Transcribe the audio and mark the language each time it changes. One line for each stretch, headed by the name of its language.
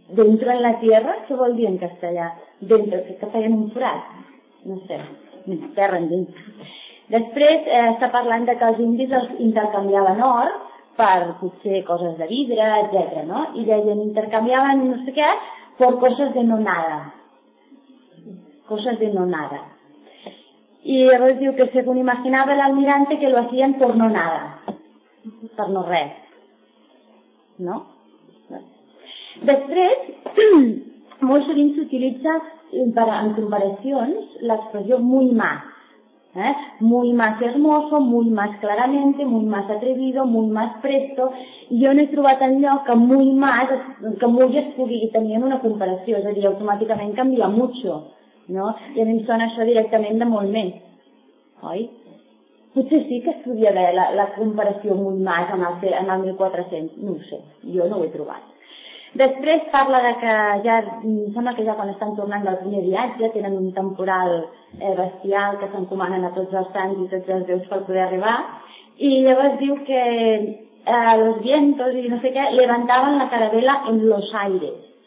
Spanish: Dentro en la tierra,
Catalan: què vol dir en castellà? Dentro, que feien un forat? No sé, terra endins. Després està parlant que els indis els intercanviaven or per potser coses de vidre, etc. No? I deien, intercanviaven no sé què, per coses
Spanish: de no nada.
Catalan: Coses de
Spanish: no nada.
Catalan: I llavors diu que
Spanish: según imaginava l'almirante que lo hacían por no nada.
Catalan: Per no res. No? Després, molt sovint s'utilitza en comparacions l'expressió
Spanish: muy más. Muy más hermoso, muy más claramente, muy más atrevido, muy más presto.
Catalan: I jo no he trobat enlloc que
Spanish: muy más,
Catalan: que muy es pugui tenir en una comparació, és a dir, automàticament canvia mucho. No? I a mi em sona això directament de molt més. Oi? Potser sí que es podria haver la comparació
Spanish: muy más
Catalan: en el 1400, no ho sé, jo no ho he trobat. Després parla de que ja, sembla que ja quan estan tornant del primer viatge tenen un temporal bestial que s'encomanen a tots els sants i tots els déus per poder arribar i llavors diu que els vientos i no sé què levantaven la caravela
Spanish: en los aires.